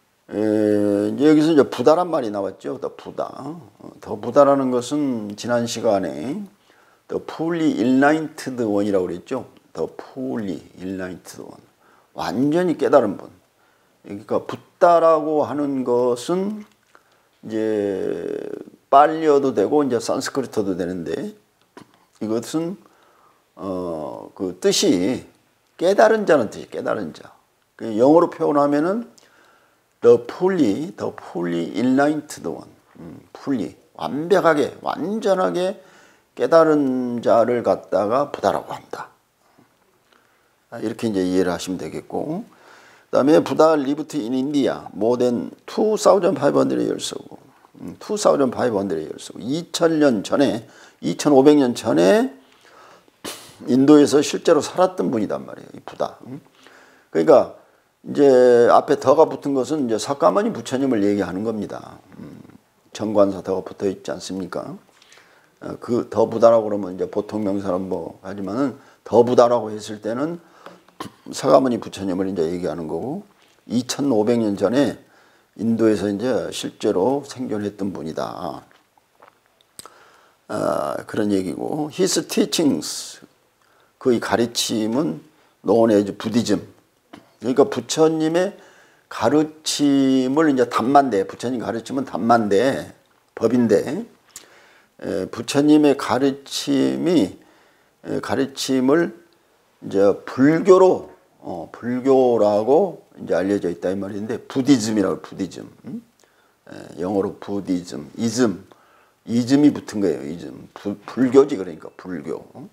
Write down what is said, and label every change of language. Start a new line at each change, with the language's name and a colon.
Korean: 이제 여기서 이제 부다란 말이 나왔죠.
English: The Buddha.
Korean: The Buddha라는 것은 지난 시간에
English: The fully enlightened one
Korean: 이라고 그랬죠.
English: The fully enlightened one.
Korean: 완전히 깨달은 분. 그러니까 붓다라고 하는 것은 이제 빨리어도 되고 이제 산스크리트어도 되는데 이것은 그 뜻이 깨달은 자는 뜻이 깨달은 자. 영어로 표현하면은
English: the fully enlightened one.
Korean: fully 완벽하게 완전하게 깨달은 자를 갖다가 부다라고 합니다. 이렇게 이제 이해를 하시면 되겠고. 그 다음에
English: 부다 lived in India more than 2500 years ago. 2500 years ago.
Korean: 2000년 전에, 2500년 전에 인도에서 실제로 살았던 분이단 말이에요. 이 부다. 그러니까 이제 앞에 더가 붙은 것은 이제 사카머니 부처님을 얘기하는 겁니다. 정관사 더가 붙어 있지 않습니까? 그 더 부다라고 그러면 이제 보통 명사는 뭐 하지만은 더 부다라고 했을 때는 사가모니 부처님을 이제 얘기하는 거고 2500년 전에 인도에서 이제 실제로 생존했던 분이다. 그런 얘기고
English: his teachings
Korean: 그의 가르침은
English: known as Buddhism.
Korean: 그러니까 부처님의 가르침을 이제 담만대 부처님 가르침은 담만대 법인데 부처님의 가르침이 가르침을 이제 불교로 불교라고 이제 알려져 있다 이 말인데 부디즘이라고 부디즘 영어로 부디즘 이즘 이즘이 붙은 거예요 이즘 불교지 그러니까 불교